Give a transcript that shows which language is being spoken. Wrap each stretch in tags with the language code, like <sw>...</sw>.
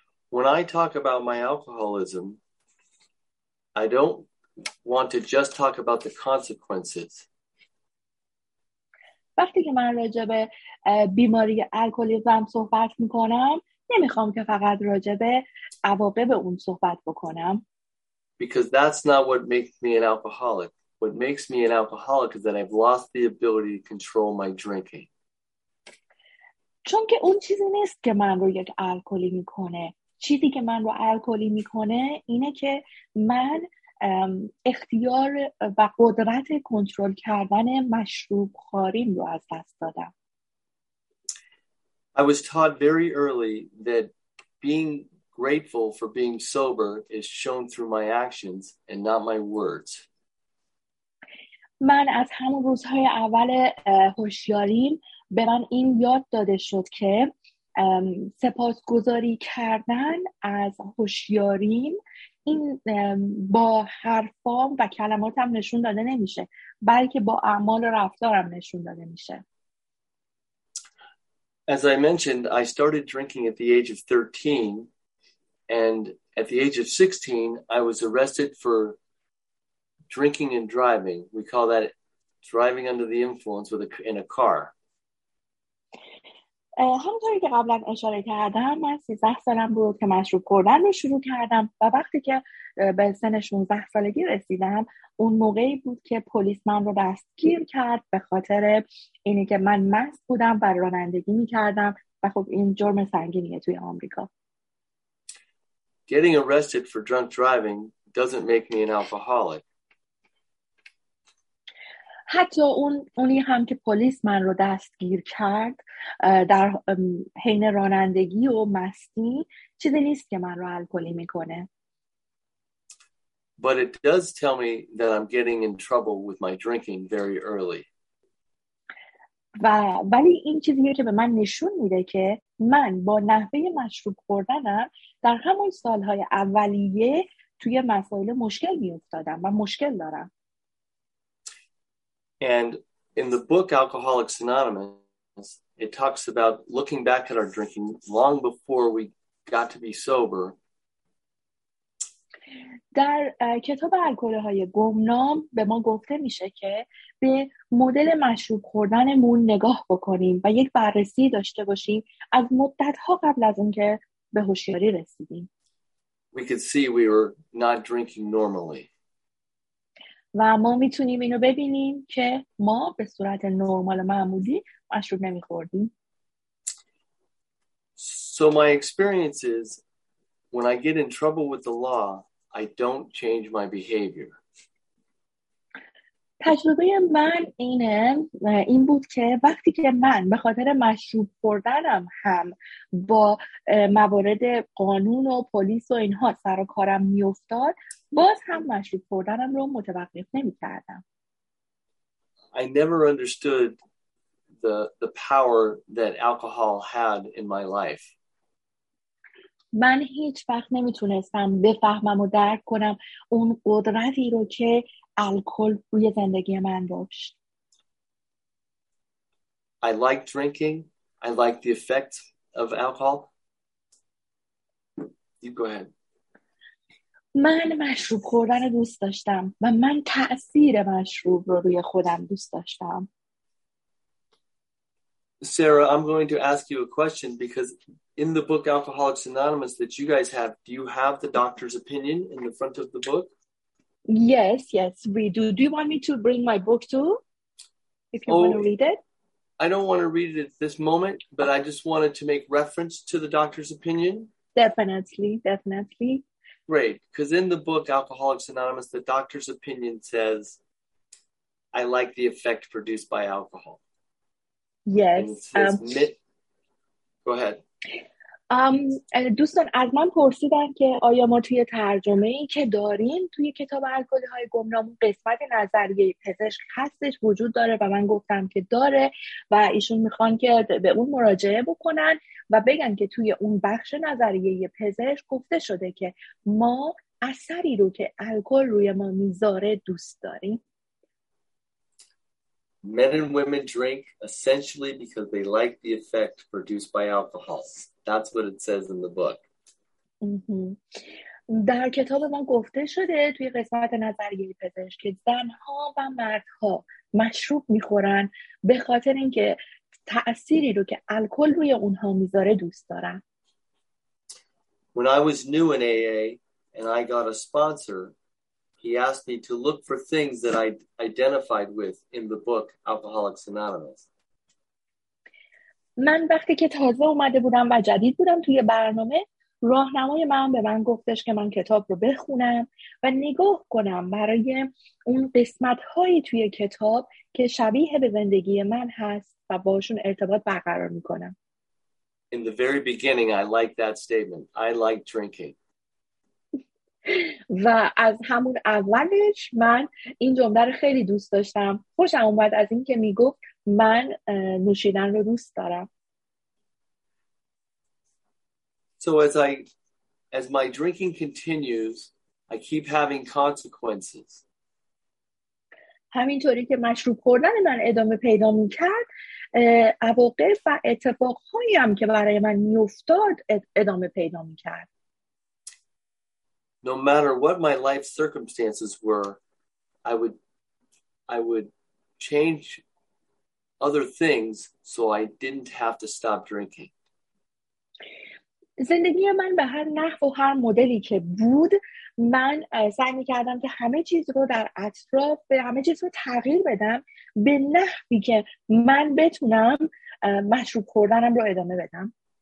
<en>When I talk about my alcoholism, I don't want to just talk about the consequences.</en> <fa>وقتی که من راجع به بیماری الکلیزم صحبت میکنم نمیخوام که فقط راجع به عواقب اون صحبت بکنم.</fa> <en>Because that's not what makes me an alcoholic. What makes me an alcoholic is that I've lost the ability to control my drinking.</en> <fa>چون که اون چیزی نیست که من رو یک الکلی میکنه. چیزی که من رو الکلی میکنه اینه که من اختیار و قدرت کنترل کردن مشروب خوریم رو از دست دادم.</fa> <en>I was taught very early that being grateful for being sober is shown through my actions and not my words.</en> <fa>من از همون روزهای اول هوشیاریم به من این یاد داده شد که سپاسگزاری کردن از هوشیاریم این با حرفام و کلماتم نشون داده نمیشه بلکه با اعمال و رفتارم نشون داده میشه.</fa> <en>As I mentioned, I started drinking at the age of 13 and at the age of 16 I was arrested for drinking and driving. We call that driving under the influence in a car.</en> <fa>همونطوری که قبلا اشاره کردم من 13 سالم بود که مشروب خوردن رو شروع کردم و وقتی که به سن 16 سالگی رسیدم اون موقعی بود که پلیس من رو دستگیر کرد به خاطر اینی که من مست بودم و رانندگی می‌کردم و خب این جرم سنگینیه توی آمریکا.</fa> <en>Getting arrested for drunk driving doesn't make me an alcoholic.</en> <fa>حتی اونی هم که پلیس من رو دستگیر کرد در حین رانندگی و مستی چیزی نیست که من رو الکلی میکنه.</fa> <en>But it does tell me that I'm getting in trouble with my drinking very early.</en> <fa>ولی این چیزیه که به من نشون میده که من با نحوه مشروب خوردنم در همون سالهای اولیه توی مسائل مشکل میافتادم و مشکل دارم.</fa> <en>And in the book Alcoholics Anonymous, it talks about looking back at our drinking long before we got to be sober.</en> <fa>در کتاب الکل‌های گمنام به ما گفته میشه که به مدل مشروب خوردنمون نگاه بکنیم و یک بررسی داشته باشیم از مدت‌ها قبل از اون که به هوشیاری رسیدیم.</fa> <en>We could see we were not drinking normally.</en> <fa>و ما میتونیم اینو ببینیم که ما به صورت نرمال معمولی مشروب نمیخوردیم.</fa> <en>So my experience is when I get in trouble with the law, I don't change my behavior.</en> <fa>تجربه من اینه این بود که وقتی که من به خاطر مشروب خوردنم هم با موارد قانون و پلیس و اینها سر و کارم میافتاد باز هم مشروب خوردنم رو متوقف نمی کردم.</fa> <en>I never understood the power that alcohol had in my life.</en> <fa>من هیچ وقت نمیتونستم بفهمم و درک کنم اون قدرتی رو که الکل روی زندگی من داشت.</fa> <en>I like drinking. I like the effect of alcohol. You go ahead.</en> <fa>من مشروب خوردن دوست داشتم و من تأثیر مشروب رو روی خودم دوست داشتم.</fa> <en>Sarah, I'm going to ask you a question because in the book Alcoholics Anonymous that you guys have, do you have the doctor's opinion in the front of the book? Yes, we do. Do you want me to bring my book too? If you want to read it? I don't want to read it at this moment, but I just wanted to make reference to the doctor's opinion. Definitely, definitely. Great, because in the book, Alcoholics Anonymous, the doctor's opinion says, I like the effect produced by alcohol. Yes. Go ahead.</en> <fa>دوستان از من پرسیدن که آیا ما توی ترجمه ای که داریم توی کتاب الکلی های گمنام قسمت نظریه پزشک هستش وجود داره و من گفتم که داره و ایشون میخوان که به اون مراجعه بکنن و بگن که توی اون بخش نظریه پزشک گفته شده که ما اثری رو که الکل روی ما میذاره دوست داریم.</fa> <en>Men and women drink essentially because they like the effect produced by alcohol. That's what it says in the book.</en> <fa>در کتاب ما گفته شده توی قسمت نظریه پزشک که زنها و مردها مشروب میخورن به خاطر اینکه تأثیری رو که الکل روی اونها میذاره دوست دارن.</fa> <en>When I was new in AA and I got a sponsor, he asked me to look for things that I identified with in the book Alcoholics Anonymous.</en> <fa>من وقتی که تازه اومده بودم و جدید بودم توی برنامه، راهنمای من به من گفتش که من کتاب رو بخونم و نگاه کنم برای اون قسمت‌هایی توی کتاب که شبیه به زندگی من هست و باشون ارتباط برقرار می‌کنم.</fa> <en>In the very beginning, I liked that statement. I like drinking.</en> <fa>و از همون اولش من این جمله رو خیلی دوست داشتم. خوشم اومد از این که میگفت من نوشیدن رو دوست دارم.</fa> <en>So as my drinking continues, I keep having consequences.</en> <fa>همینطوری که مشروب خوردن من ادامه پیدا میکرد، عواقب و اتفاقهایی هم که برای من میافتاد ادامه پیدا میکرد.</fa> <en>No matter what my life circumstances were, I would change other things so I didn't have to stop drinking.</en> <fa>زندگی من به هر نحو و هر مدلی که بود، من سعی می‌کردم که همه چیز رو در اطراف به همه چیز رو تغییر بدم به نحوی که من بتونم مشروب خوردنم رو ادامه بدم.</fa>